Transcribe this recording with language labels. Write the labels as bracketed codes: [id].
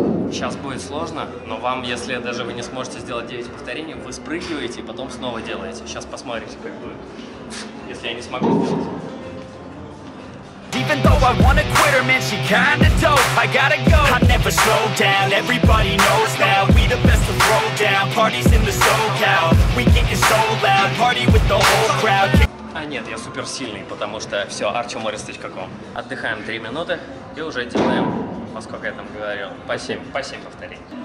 [ru] Сейчас будет сложно, но вам, если даже вы не сможете сделать 9 повторений, вы спрыгиваете и потом снова делаете. Сейчас посмотрите, как будет, если я не смогу сделать. [en] Even though I wanna quit her, man, she kinda dope. I gotta go, I never slow down. Everybody knows now, we the best to throw down. Parties in the SoCal, we gettin' so loud. Party with the whole crowd. [ru] А нет, я супер сильный, потому что все, archimorris.com. Отдыхаем 3 минуты и уже делаем, во сколько я там говорил, по 7, по 7 повторений.